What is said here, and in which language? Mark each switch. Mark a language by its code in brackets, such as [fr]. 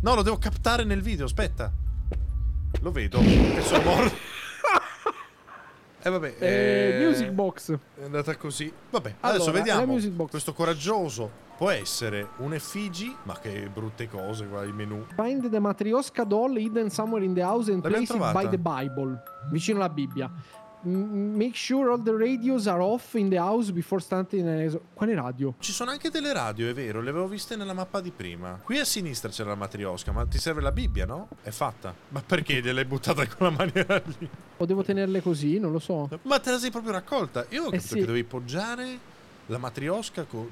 [it] No, lo devo captare nel video, aspetta. Lo vedo. E sono morto. vabbè. [en] Music box. [it] È andata così. Vabbè, allora, adesso vediamo. Music box. Questo coraggioso può essere un effigi. Ma che brutte cose, qua, il menu. [en] Find the matrioska doll hidden somewhere in the house and place it by the Bible. [it] Vicino alla Bibbia. [en] Make sure all the radios are off in the house before starting the... [it] Quale radio? Ci sono anche delle radio, è vero. Le avevo viste nella mappa di prima. Qui a sinistra c'era la matrioska. Ma ti serve la Bibbia, no? È fatta. Ma perché gliel'hai buttata con la maniera lì? O devo tenerle così? Non lo so. Ma te la sei proprio raccolta? Io ho capito che dovevi poggiare la matrioska con...